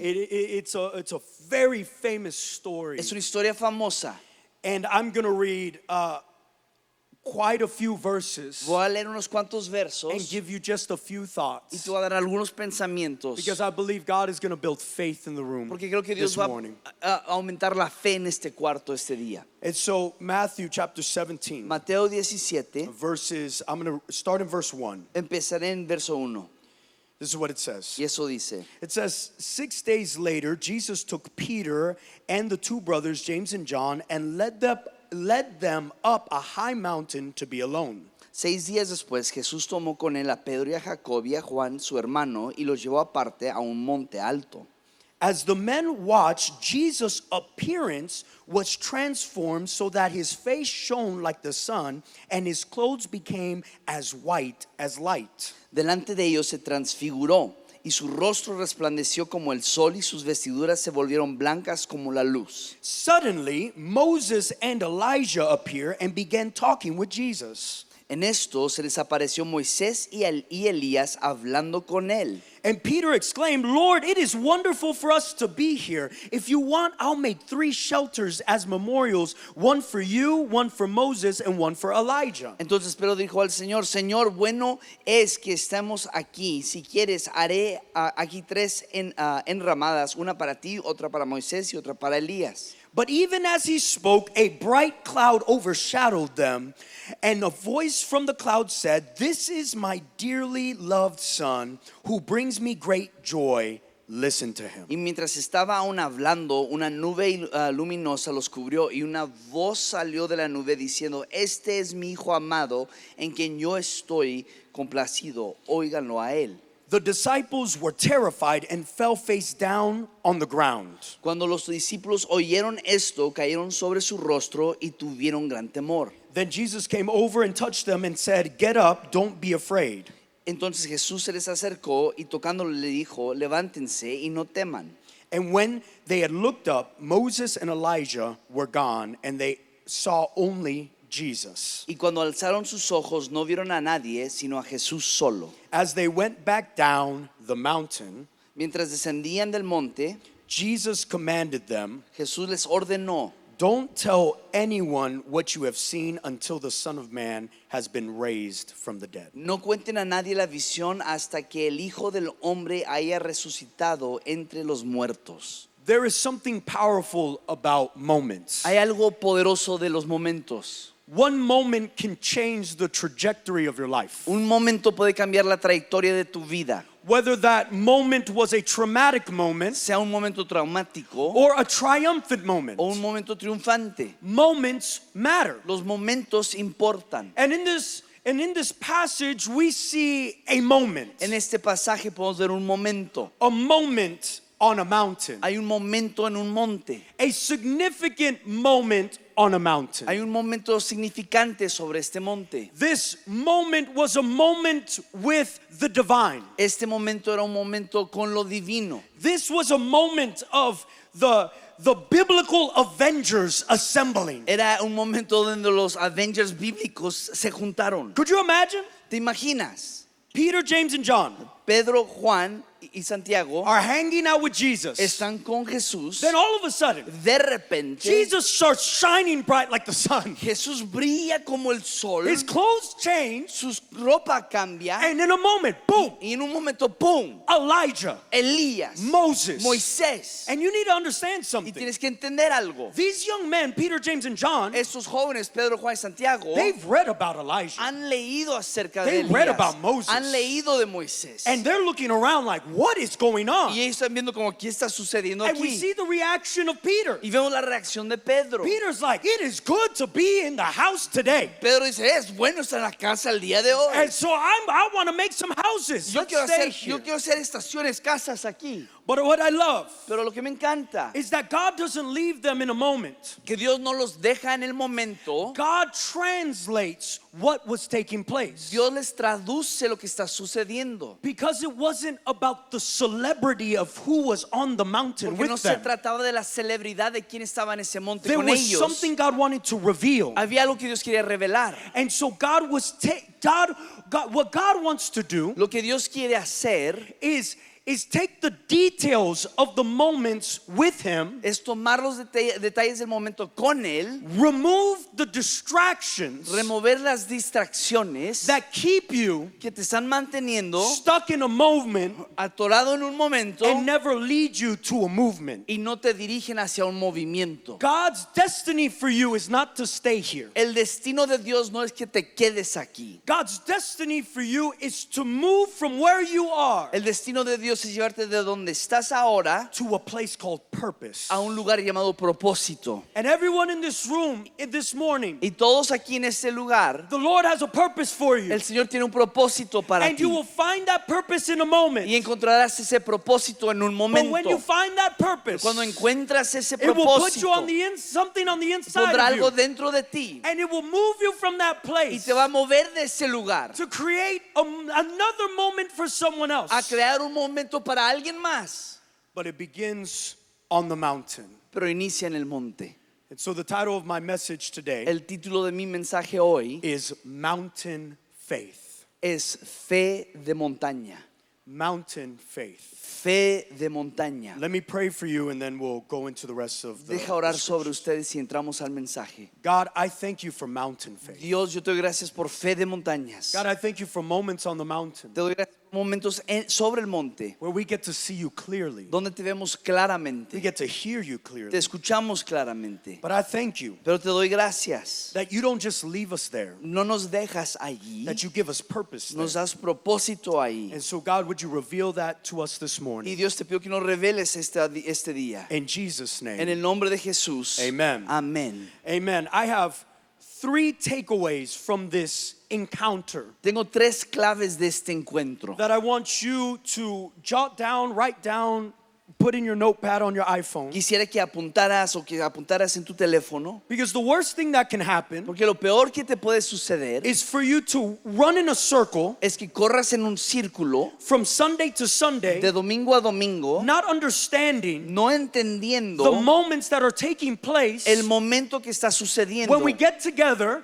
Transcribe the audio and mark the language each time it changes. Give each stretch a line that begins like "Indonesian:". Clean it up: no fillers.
English: It's a very famous story.
Spanish: Es una historia famosa.
English: And I'm going to read quite a few verses.
Spanish: Voy a leer unos cuantos versos.
English: And give you just a few thoughts.
Spanish: Y te voy a dar algunos pensamientos.
English: Because I believe God is going to build faith in the room.
Spanish: Porque creo que Dios va a aumentar la fe en este cuarto este día.
English: And so Matthew chapter 17.
Spanish: Mateo 17.
English: Verses. I'm going to start in verse 1.
Spanish: Empezaré en verso 1.
English: This is what it says.
Spanish: Y eso dice.
English: It says, 6 days later, Jesus took Peter and the two brothers, James and John, and led them up a high mountain to be alone.
Spanish: 6 días después, Jesús tomó con él a Pedro y a Jacob y a Juan, su hermano, y los llevó aparte a un monte alto.
English: As the men watched, Jesus' appearance was transformed so that his face shone like the sun and his clothes became as white as light.
Spanish: Delante de ellos se transfiguró y su rostro resplandeció como el sol y sus vestiduras se volvieron blancas como la luz.
English: Suddenly, Moses and Elijah appear and began talking with Jesus.
Spanish: En esto se les apareció Moisés y Elías hablando con él.
English: And Peter exclaimed, Lord, it is wonderful for us to be here. If you want, I'll make 3 shelters as memorials, one for you, one for Moses, and one for Elijah.
Spanish: Entonces Pedro dijo al Señor, Señor, bueno es que estemos aquí. Si quieres, haré aquí 3 enramadas, una para ti, otra para Moisés, y otra para Elías.
English: But even as he spoke, a bright cloud overshadowed them, and a voice from the cloud said, This is my dearly loved son, who brings me great joy. Listen to him.
Spanish: Y mientras estaba aún hablando, una nube luminosa los cubrió, y una voz salió de la nube diciendo, Este es mi hijo amado, en quien yo estoy complacido. Óiganlo a él.
English: The disciples were terrified and fell face down on the ground.
Spanish: Cuando los discípulos oyeron esto, cayeron sobre su rostro y tuvieron gran temor.
English: Then Jesus came over and touched them and said, "Get up, don't be afraid."
Spanish: Entonces Jesús se les acercó y tocándole le dijo, "Levántense y no teman."
English: And when they had looked up, Moses and Elijah were gone and they saw only Jesus.
Spanish: Y cuando alzaron sus ojos, no vieron a nadie, sino a Jesús solo.
English: As they went back down the mountain,
Spanish: mientras descendían del monte,
English: Jesus commanded them,
Spanish: Jesús les ordenó,
English: Don't tell anyone what you have seen until the Son of Man has been raised from the dead.
Spanish: No cuenten a nadie la visión hasta que el Hijo del Hombre haya resucitado entre los muertos.
English: There is something powerful about moments.
Spanish: Hay algo poderoso de los momentos.
English: One moment can change the trajectory of your life.
Spanish: Un momento puede cambiar la trayectoria de tu vida.
English: Whether that moment was a traumatic moment,
Spanish: sea un momento traumático,
English: or a triumphant moment,
Spanish: o un momento triunfante.
English: Moments matter.
Spanish: Los momentos importan.
English: And in this passage we see a moment.
Spanish: En este pasaje podemos ver un momento.
English: A moment on a mountain.
Spanish: Hay un momento en un monte.
English: A significant moment on a mountain.
Spanish: Hay un momento significante sobre este monte.
English: This moment was a moment with the divine.
Spanish: Este momento era un momento con lo divino.
English: This was a moment of the biblical Avengers assembling.
Spanish: Era un momento donde los Avengers bíblicos se juntaron.
English: Could you imagine?
Spanish: ¿Te imaginas?
English: Peter, James, and John.
Spanish: Pedro, Juan, y Santiago
English: are hanging out with Jesus.
Spanish: Están con Jesús.
English: Then all of a sudden,
Spanish: de repente,
English: Jesus starts shining bright like the sun.
Spanish: Jesús brilla como el sol.
English: His clothes change.
Spanish: Sus ropa cambia.
English: And in a moment, boom.
Spanish: Y en un momento, boom.
English: Elijah.
Spanish: Elías.
English: Moses.
Spanish: Moisés.
English: And you need to understand something.
Spanish: Y tienes que entender algo.
English: These young men, Peter, James, and John,
Spanish: estos jóvenes, Pedro, Juan y Santiago,
English: they've read about Elijah.
Spanish: Han leído acerca
English: they've
Spanish: de Elías.
English: Read about Moses.
Spanish: Han leído de Moisés.
English: And they're looking around like, What is going on?
Spanish: Y están viendo como qué está sucediendo aquí.
English: And we see the reaction of Peter.
Spanish: Y vemos la reacción de Pedro.
English: Peter's like, it is good to be in the house today.
Spanish: Pedro dice, es bueno estar en la casa el día de hoy.
English: And so I want to make some houses.
Spanish: Yo quiero hacer
English: here.
Spanish: Yo quiero hacer estaciones, casas aquí.
English: But what I love,
Spanish: pero lo que me encanta,
English: is that God doesn't leave them in a moment.
Spanish: Que Dios no los deja en el momento.
English: God translates what was taking place.
Spanish: Dios les traduce lo que está sucediendo.
English: Because it wasn't about the celebrity of who was on the mountain
Spanish: Porque no
English: them.
Spanish: Se trataba de la celebridad de quién estaba en ese monte
English: there
Spanish: con
English: was
Spanish: ellos.
English: Something God wanted to reveal.
Spanish: Había algo que Dios quería revelar.
English: And so God was what God wants to do.
Spanish: Lo que Dios quiere hacer
English: is is take the details of the moments with him.
Spanish: Es tomar los detalles del momento con él.
English: Remove the distractions.
Spanish: Remover las distracciones.
English: That keep you.
Spanish: Que te están manteniendo.
English: Stuck in a moment.
Spanish: Atorado en un momento.
English: And never lead you to a movement.
Spanish: Y no te dirigen hacia un movimiento.
English: God's destiny for you is not to stay here.
Spanish: El destino de Dios no es que te quedes aquí.
English: God's destiny for you is to move from where you are.
Spanish: El destino de Dios es llevarte de donde estás ahora
English: to a place called purpose.
Spanish: A un lugar llamado propósito.
English: And everyone in this room in this morning.
Spanish: Y todos aquí en este lugar.
English: The Lord has a purpose for you.
Spanish: El Señor tiene un propósito para ti.
English: And you will find that purpose in a moment.
Spanish: Y encontrarás ese propósito en un momento.
English: But when you find that purpose,
Spanish: cuando encuentras ese propósito,
English: it will put you on the something on the inside.
Spanish: Pondrá algo dentro de ti.
English: And it will move you from that place.
Spanish: Y te va a mover de ese lugar.
English: To create another moment for someone else.
Spanish: A crear un momento para alguien más.
English: But it begins on the mountain.
Spanish: Pero inicia en el monte.
English: And so the title of my message today,
Spanish: el título de mi mensaje hoy,
English: is Mountain Faith.
Spanish: Es fe de montaña.
English: Mountain Faith.
Spanish: Fe de montaña.
English: Let me pray for you and then we'll go into the rest of the
Spanish: deja orar sobre ustedes y entramos al mensaje.
English: God, I thank you for mountain faith.
Spanish: Dios, yo te doy gracias por fe de montañas.
English: God, I thank you for moments on the mountain.
Spanish: Te doy gracias por momentos sobre el monte.
English: Where we get to see you clearly.
Spanish: Donde te vemos claramente.
English: We get to hear you clearly.
Spanish: Te escuchamos claramente.
English: But I thank you.
Spanish: Pero te doy gracias.
English: That you don't just leave us there.
Spanish: No nos dejas allí.
English: That you give us purpose.
Spanish: Nos das propósito ahí.
English: And so God, would you reveal that to us this morning?
Spanish: Y Dios, te pido que nos reveles este día.
English: In Jesus' name.
Spanish: En el nombre de Jesús.
English: Amen. Amen. Amen. I have 3 takeaways from this encounter.
Spanish: Tengo 3 claves de este encuentro.
English: That I want you to jot down, write down, put in your notepad on your iPhone.
Spanish: Quisiera que apuntaras o que apuntaras en tu teléfono.
English: Because the worst thing that can happen,
Spanish: porque lo peor que te puede suceder,
English: is for you to run in a circle,
Spanish: es que corras en un círculo,
English: from Sunday to Sunday,
Spanish: de domingo a domingo,
English: not understanding,
Spanish: no entendiendo,
English: the moments that are taking place,
Spanish: el momento que está sucediendo,
English: when we get together,